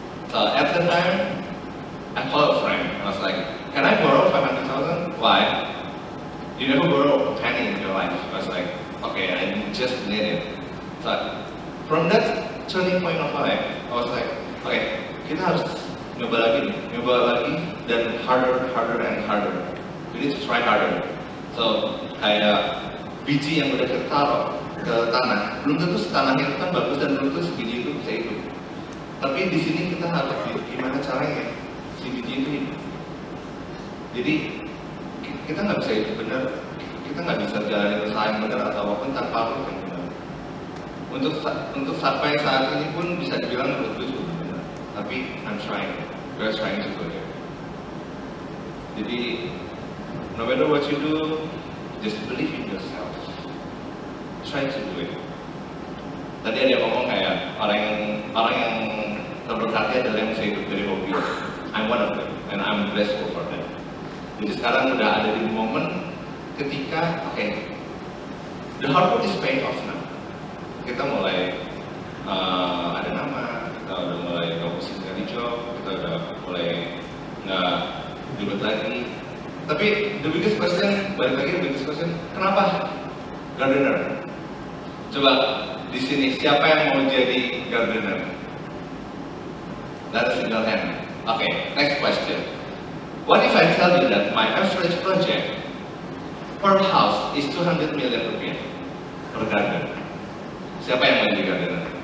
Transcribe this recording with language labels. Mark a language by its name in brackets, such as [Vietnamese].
[English] So at the time, I called a friend. I was like, can I borrow 500,000? Why? You never borrow a penny in your life. I was like, okay, I just need it. So from that turning point of life, I was like, okay, [Indonesian] kita harus nyoba lagi, dan [English] harder and harder. We need to try harder. [Indonesian] So kayak biji yang udah tertaruh ke tanah, belum tentu tanahnya itu kan bagus dan belum tentu biji itu bisa hidup. Tapi di sini kita harus gimana caranya si biji ini hidup. Jadi kita nggak bisa hidup benar, kita nggak bisa jalanin usaha yang benar atau apapun tanpa apa yang benar. Untuk sampai saat ini pun bisa dibilang menurut gue juga benar. [English] Tapi I'm trying, we're trying to go there. Jadi no matter what you do, just believe in yourself. Try to do it. [Indonesian] Tadi ada yang ngomong kayak orang yang terberkati adalah yang bisa hidup dari hobi. [English] I'm one of them and I'm blessed for that. [Indonesian] Jadi sekarang udah ada di momen ketika okay, [English] the hard work is paying off now. [Indonesian] Kita mulai ada nama, kita udah mulai ngomongin dari job, kita udah mulai nggak ribet lagi. [English] Tapi the biggest question, [Indonesian] balik lagi [English] the biggest question, [Indonesian] kenapa gardener? Coba di sini siapa yang mau jadi gardener? [English] That's a single hand. Okay, next question. What if I tell you that my average project per house is 200 million rupiah per gardener? [Indonesian] Siapa yang mau jadi gardener?